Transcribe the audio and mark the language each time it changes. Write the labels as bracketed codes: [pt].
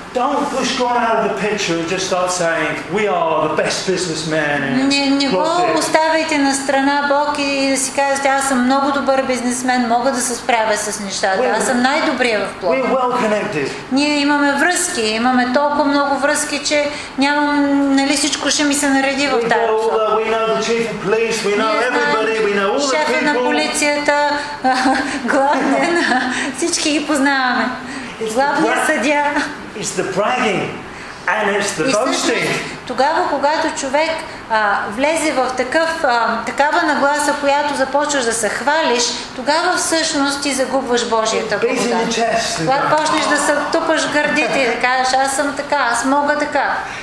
[en] Don't push God out of the picture and just start saying, we are the best businessman in Plovdiv. [bg] Не го оставяйте на страна Бог и да си казвате, аз съм много добър бизнесмен, мога да се справя с нещата, аз съм най-добрия в Плов. [en] We're well connected. [bg] Ние имаме връзки, имаме толкова много връзки, че нямам, нали, всичко ще ми се нареди в тази посока. [en] We know the chief of police, we know everybody, we know all the people. [bg] Шефа на полицията, главен, всички ги познаваме. Главният съдия. [en] It's the bragging and it's the boasting. [bg] Тогава, когато човек влезе в такава нагласа, която започваш да се хвалиш, тогава всъщност ти загубваш Божията благодата. Когато почнеш да се тупаш в гърдите и да кажеш, аз съм така, аз мога така.